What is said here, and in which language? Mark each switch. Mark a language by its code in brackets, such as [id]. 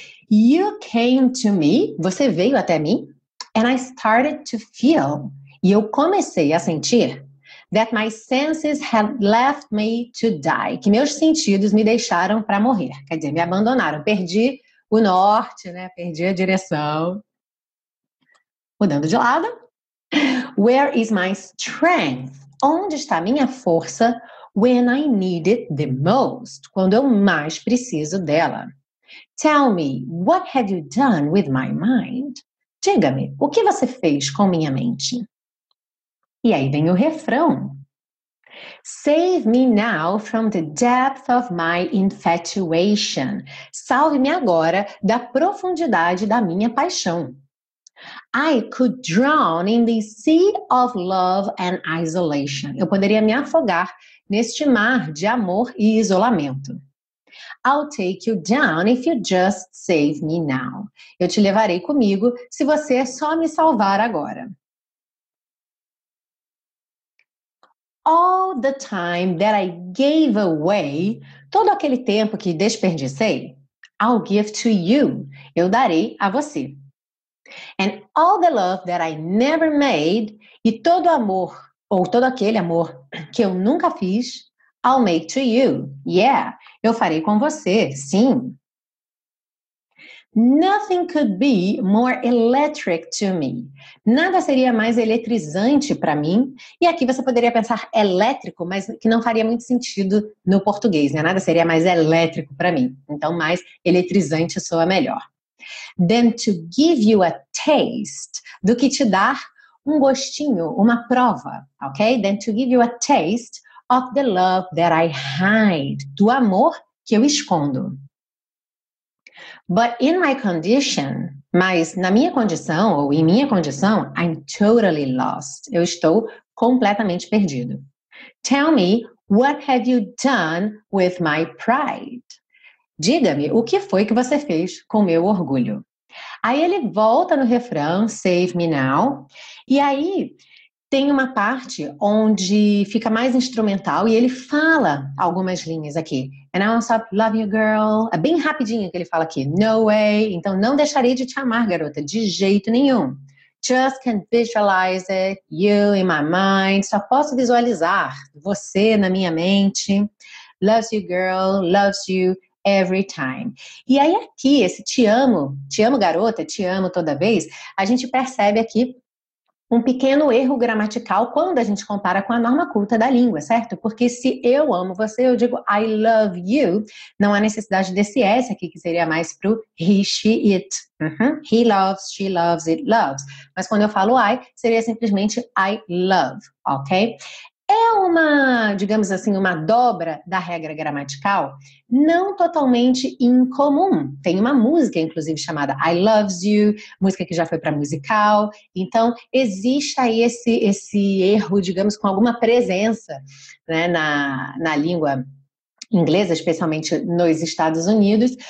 [en] You came to me, [pt] você veio até mim, [en] and I started to feel, [pt] e eu comecei a sentir, [en] that my senses had left me to die, [pt] que meus sentidos me deixaram para morrer, quer dizer, me abandonaram, perdi o norte, né? Perdi a direção, mudando de lado. [en] Where is my strength? [pt] Onde está minha força [en] when I need it the most? [pt] Quando eu mais preciso dela. [en] Tell me, what have you done with my mind? [pt] Diga-me, o que você fez com minha mente? E aí vem o refrão. [en] Save me now from the depth of my infatuation. [pt] Salve-me agora da profundidade da minha paixão. [en] I could drown in the sea of love and isolation. [pt] Eu poderia me afogar neste mar de amor e isolamento. [en] I'll take you down if you just save me now. [pt] Eu te levarei comigo se você só me salvar agora. [en] All the time that I gave away, [pt] todo aquele tempo que desperdicei, [en] I'll give to you, [pt] eu darei a você. [en] And all the love that I never made, [pt] e todo amor, ou todo aquele amor que eu nunca fiz, [en] I'll make to you, yeah. [pt] Eu farei com você, sim. [en] Nothing could be more electric to me. [pt] Nada seria mais eletrizante para mim. E aqui você poderia pensar elétrico, mas que não faria muito sentido no português, né? Nada seria mais elétrico para mim. Então, mais eletrizante soa melhor. [en] Than to give you a taste. [pt] Do que te dar um gostinho, uma prova, ok? [en] Than to give you a taste of the love that I hide, [pt] do amor que eu escondo. [en] But in my condition, [pt] mas na minha condição, ou em minha condição, [en] I'm totally lost. [pt] Eu estou completamente perdido. [en] Tell me, what have you done with my pride? [pt] Diga-me, o que foi que você fez com meu orgulho? Aí ele volta no refrão, [en] save me now, [pt] e aí tem uma parte onde fica mais instrumental e ele fala algumas linhas aqui. [en] And I'll stop, love you, girl. [pt] É bem rapidinho que ele fala aqui. [en] No way. [pt] Então, não deixarei de te amar, garota. De jeito nenhum. [en] Just can visualize it. You in my mind. [pt] Só posso visualizar você na minha mente. [en] Loves you, girl. Loves you every time. [pt] E aí aqui, esse te amo, garota, te amo toda vez, a gente percebe aqui um pequeno erro gramatical quando a gente compara com a norma culta da língua, certo? Porque se eu amo você, eu digo [en] I love you, [pt] não há necessidade desse S aqui, que seria mais pro he, she, it. [en] He loves, she loves, it loves. [pt] Mas quando eu falo I, seria simplesmente [en] I love, [pt] ok? É uma, digamos assim, uma dobra da regra gramatical, não totalmente incomum. Tem uma música, inclusive, chamada I Loves You, música que já foi para musical. Então, existe aí esse erro, digamos, com alguma presença, né, na língua inglesa, especialmente nos Estados Unidos.